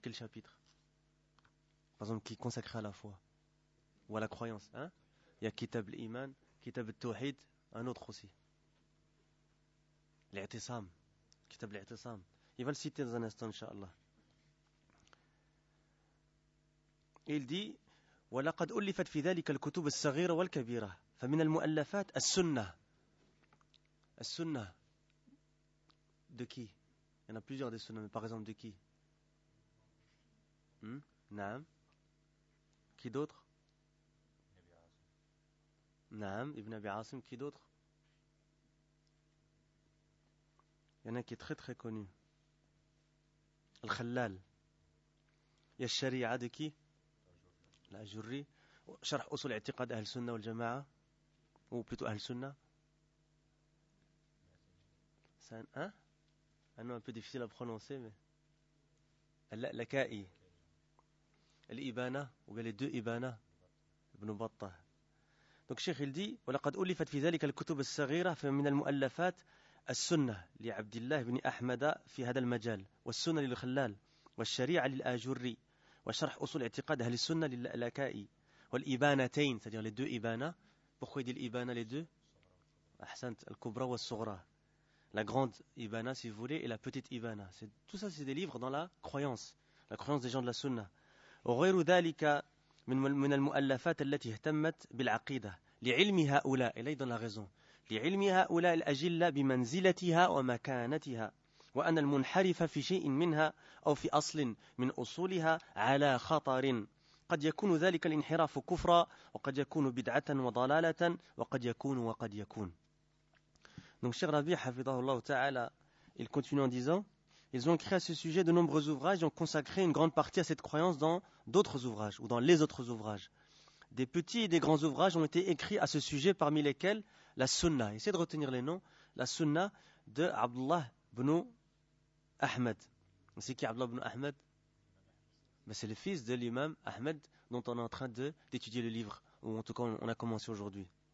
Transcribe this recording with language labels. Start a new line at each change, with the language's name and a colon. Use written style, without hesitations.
French: Quel chapitre par exemple qui est consacré à la foi ou à la croyance, hein? Il y a Kitab al-Iman, Kitab al-Tawhid, un autre aussi, l'I'tisam, Kitab al-I'tisam. Il va le citer dans un instant inshallah. Il dit:
Arabic: ولقد ألفت في ذلك الكتب الصغيرة والكبيرة فمن المؤلفات السنة.
French: السنة de qui? Il y en a plusieurs des sunnas, mais par exemple de qui? Naam. Qui d'autre? Naam, Ibn Abi Asim. Qui d'autre? Il y en a qui est très très connu. Al-Khalal. Il y a Sharia de qui? La Jurri, Sharh Usul I'tiqad Ahl Sunnah wal Jama'a, ou plutôt Ahl Sunnah. C'est un, hein? Un nom un peu difficile à prononcer, mais. Al-Laka'i, Al-Ibana, ou bien les deux Ibana, Ibn Batta. Donc, Cheikh, il dit:
Arabic: وَلَقَدْ أُلِفَتْ فِي ذَلِكَ الْكُتُبَ السَّغِيرَةَ فَمِنَ الْمُؤَلَّفَاتَ السُنَّةَ لِعَبْدِ بْنِ أَحْمَدَ فِي هَذَا الْمَجَالِ وَالسُنَّةَ لِلْخَلَّالِ وَالشَّرِيعَ لِلْآجُرِّي وشرح أصول اعتقاد أهل السنة للألكائي والإبانتين،
French: c'est-à-dire les deux
Arabic: إبانة.
French: Pourquoi il dit
Arabic: الإبانة les deux؟ أحسنت، الكبرى والصغرى.
French: la grande Ibana, si vous voulez, et la petite Ibana. Tout ça, c'est des livres dans la croyance des gens de la Sunna.
Arabic: وغير ذلك من المؤلفات التي اهتمت بالعقيدة لعلم هؤلاء إلى أيضا لا غزون لعلم هؤلاء الأجلة بمنزلتها ومكانتها وأن المنحرف في شيء منها أو في أصل من أصولها على خطر قد يكون ذلك الانحراف كفرا وقد يكون بدعة وضلالة وقد يكون
French: donc Cheikh Rabi
Arabic: حفظه الله تعالى
French: il continue en disant Ils ont écrit à ce sujet de nombreux ouvrages et ont consacré une grande partie à cette croyance dans d'autres ouvrages ou dans les autres ouvrages. Des petits et des grands ouvrages ont été écrits à ce sujet, parmi lesquels la Sunna. Essayez de retenir les noms. La Sunna de Abdullah ibn Ahmed. C'est qui Abdullah ibn Ahmed ? Ben c'est le fils de l'imam Ahmed dont on est en train d'étudier le livre, ou en tout cas on a commencé aujourd'hui.